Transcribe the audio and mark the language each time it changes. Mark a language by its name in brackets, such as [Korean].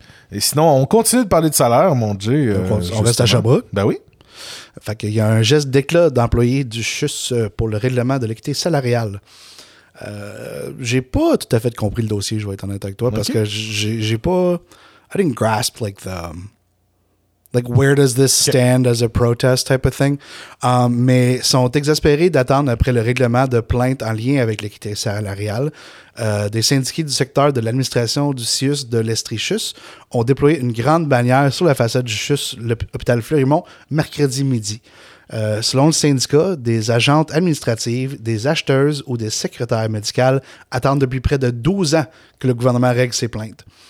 [French] Et sinon, on continue de parler de salaire, mon Dieu. On reste à Sherbrooke. Ben oui. Fait qu'il y a un geste d'éclat d'employé du CHUS pour le règlement de l'équité salariale. J'ai pas tout à fait compris le dossier, je vais être honnête avec toi, parce que j'ai pas... [English] I didn't grasp, like, the... Like, where does this stand as a protest type of thing? [French] Mais sont exaspérés d'attendre après le règlement de plainte en lien avec l'équité salariale. Des syndiqués du secteur de l'administration du CIUS de l'Estrie-CHUS ont déployé une grande bannière sur la façade du CHUS, l'hôpital Fleurimont, mercredi midi. Selon le syndicat, des agentes administratives, des acheteuses ou des secrétaires médicales attendent depuis près de 12 ans que le gouvernement règle ses plaintes.